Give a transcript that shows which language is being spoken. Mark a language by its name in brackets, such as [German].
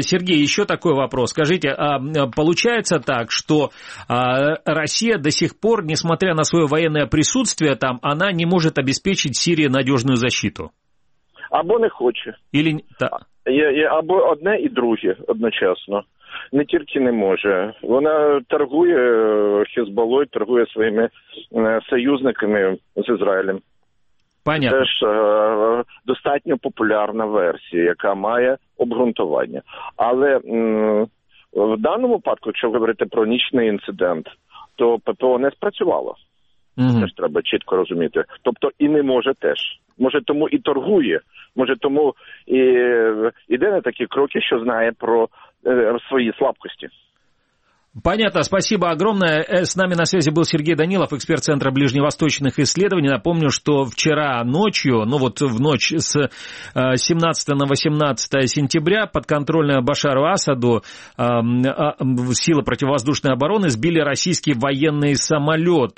[Russian] Сергей, еще такой вопрос. Скажите, получается так, что Россия до сих пор, несмотря на свое военное присутствие там, она не может обеспечить Сирии надежную защиту? [Ukrainian] Або не хоче. [Russian] Или... [Ukrainian] Або одне і друге одночасно. Не тільки не може. Вона торгує Хезболою, торгує своїми союзниками з Ізраїлем. [Russian] Понятно. [Ukrainian] Це ж достатньо популярна версія, яка має обґрунтування. Але в даному випадку, якщо говорити про нічний інцидент, то ППО не спрацювало. Угу. Це ж треба чітко розуміти. Тобто і не може теж. Може, тому і торгує. Може, тому і йде на такі кроки, що знає про свої слабкості. [Russian] Понятно, спасибо огромное. С нами на связи был Сергей Данилов, эксперт Центра ближневосточных исследований. Напомню, что вчера ночью, ну вот в ночь с 17 на 18 сентября подконтрольная Башару Асаду силы противовоздушной обороны сбили российский военный самолет.